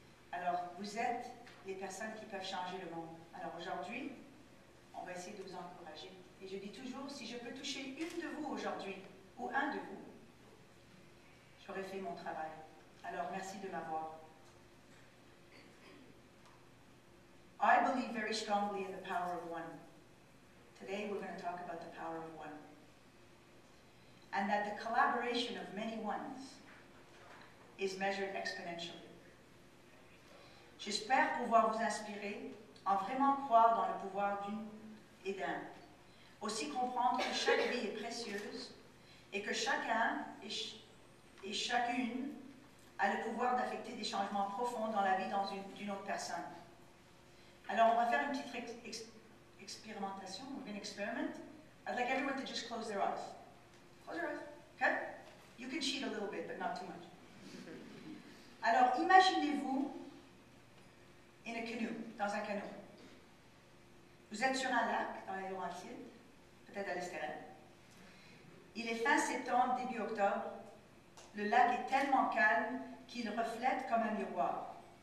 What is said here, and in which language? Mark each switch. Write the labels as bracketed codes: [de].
[fr] Alors vous êtes les personnes qui peuvent changer le monde. Alors aujourd'hui, on va essayer de vous encourager. Et je dis toujours, si je peux toucher une de vous aujourd'hui ou un de vous, j'aurai fait mon travail. Alors merci de m'avoir. [en] I believe very strongly in the power of one. Today we're going to talk about the power of one. And that the collaboration of many ones is measured exponentially. [fr] J'espère pouvoir vous inspirer en vraiment croire dans le pouvoir d'une et d'un. Aussi comprendre que chaque vie est précieuse et que chacun et chacune a le pouvoir d'affecter des changements profonds dans la vie d'une autre personne. Alors, on va faire une petite expérimentation, un experiment. [en] I'd like everyone to just close their eyes. Close your eyes, okay? You can cheat a little bit, but not too much. [fr] Alors, imaginez-vous [en] in a canoe, [fr] dans un canot. Vous êtes sur un lac dans les Laurentides, peut-être à l'Estérel. Il est fin septembre, début octobre. Le lac est tellement calme qu'il reflète comme un miroir.